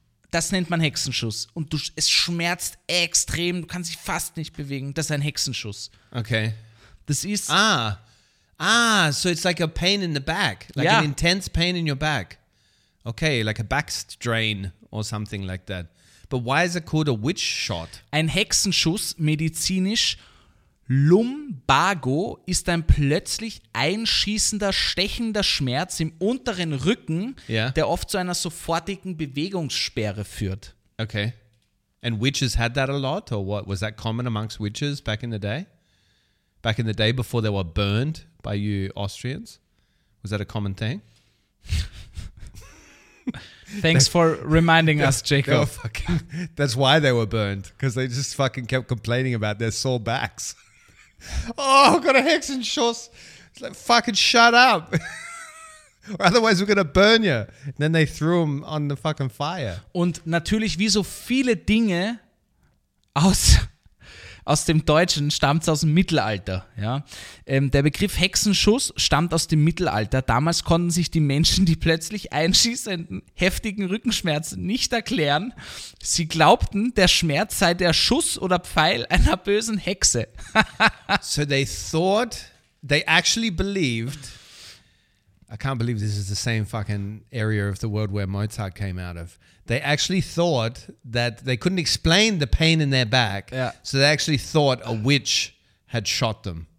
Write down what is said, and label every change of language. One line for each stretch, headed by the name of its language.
German: Das nennt man Hexenschuss. Und du, es schmerzt extrem. Du kannst dich fast nicht bewegen. Das ist ein Hexenschuss.
English: Okay.
German: Das ist...
English: Ah, so it's like a pain in the back. Like yeah. An intense pain in your back. Okay, like a back strain or something like that. But why is it called a witch shot?
German: Ein Hexenschuss, medizinisch Lumbago, ist ein plötzlich einschießender, stechender Schmerz im unteren Rücken,
English: yeah.
German: Der oft zu einer sofortigen Bewegungssperre führt.
English: Okay. And witches had that a lot? Or what? Was that common amongst witches back in the day? Back in the day before they were burned by you Austrians? Was that a common thing? Thanks for reminding us, Jacob. That's why they were burned, because they just fucking kept complaining about their sore backs. Oh, I've got a Hexenschuss. It's like, fucking shut up. Or otherwise we're going to burn you. And then they threw him on the fucking fire.
German: Und natürlich, wie so viele Dinge aus dem Deutschen, stammt es aus dem Mittelalter. Ja? Der Begriff Hexenschuss stammt aus dem Mittelalter. Damals konnten sich die Menschen die plötzlich einschießenden, heftigen Rückenschmerzen nicht erklären. Sie glaubten, der Schmerz sei der Schuss oder Pfeil einer bösen Hexe.
English: So they thought, they actually believed, I can't believe this is the same fucking area of the world where Mozart came out of. They actually thought that they couldn't explain the pain in their back. Yeah. So they actually thought a witch had shot them.